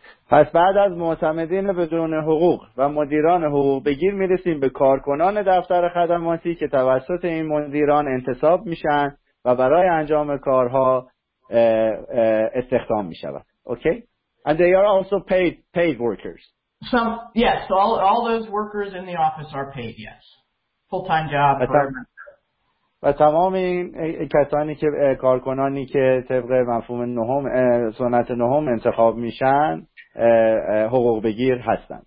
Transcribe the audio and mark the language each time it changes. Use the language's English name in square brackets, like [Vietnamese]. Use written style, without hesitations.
[Persian] پس بعد از معتمدین بدون حقوق و مدیران حقوق بگیر میرسیم به کارکنان دفتر خدماتی که توسط این مدیران انتصاب میشن و برای انجام کارها استخدام میشوند. [English] Okay? And they are also paid workers. All those workers in the office are paid, yes. Full-time job. [Persian] و تمام این کسانی که کارکنانی که طبق مفهوم نهم سنت نهم انتخاب میشن حقوق بگیر هستن.